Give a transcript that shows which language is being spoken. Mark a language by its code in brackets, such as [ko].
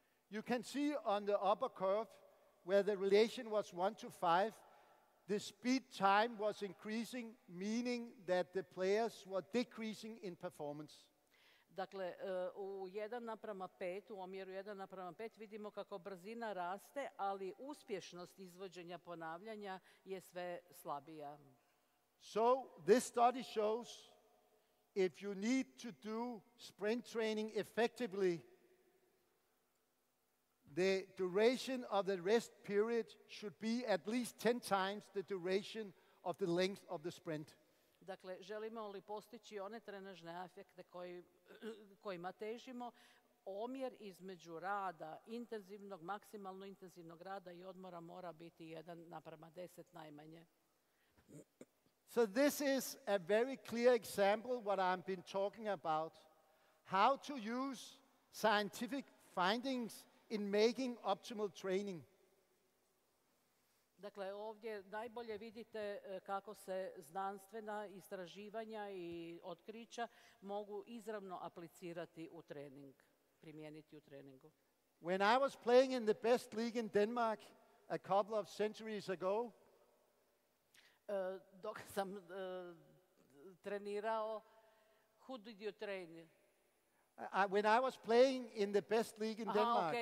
[en] You can see on the upper curve where the relation was 1:5, the speed time was increasing, meaning that the players were decreasing in performance. [hr] Dakle, u 1:5, u omjeru 1:5 vidimo kako brzina raste, ali uspješnost izvođenja ponavljanja je sve slabija. [en] So this study shows if you need to do sprint training effectively, the duration of the rest period should be at least 10 times the duration of the length of the sprint. [hr] Dakle, želimo li postići one trenažne efekte kojima težimo, omjer između rada, intenzivnog, maksimalno intenzivnog rada i odmora mora biti 1:10 najmanje. [en] So this is a very clear example what I've been talking about, how to use scientific findings in making optimal training. [hr] Dakle, ovdje najbolje vidite kako se znanstvena istraživanja i otkrića mogu izravno aplicirati u trening, primijeniti u treningu. [en] When I was playing in the best league in Denmark a couple of centuries ago, [hr] dok sam trenirao, [en] who did you train? When I was playing in the best league in Denmark.